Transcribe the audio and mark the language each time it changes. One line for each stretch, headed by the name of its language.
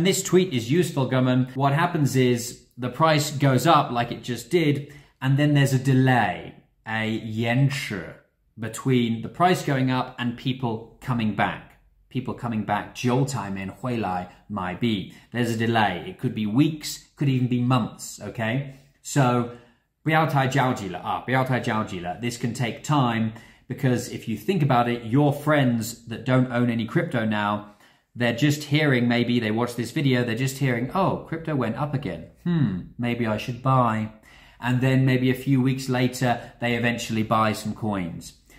English: And this tweet is useful, Gumman. What happens is the price goes up like it just did, and then there's a delay, a 延迟, between the price going up and people coming back. People coming back,
Chinese: 韭菜们回来,
English: might be. There's a delay. It could be weeks, could even be months, okay? So...
Chinese: 不要太焦急了啊！不要太焦急了。
English: This can take time because if you think about it, your friends that don't own any crypto now, they're just hearing, maybe they watch this video, they're just hearing, oh, crypto went up again. Maybe I should buy. And then maybe a few weeks later, they eventually buy some coins.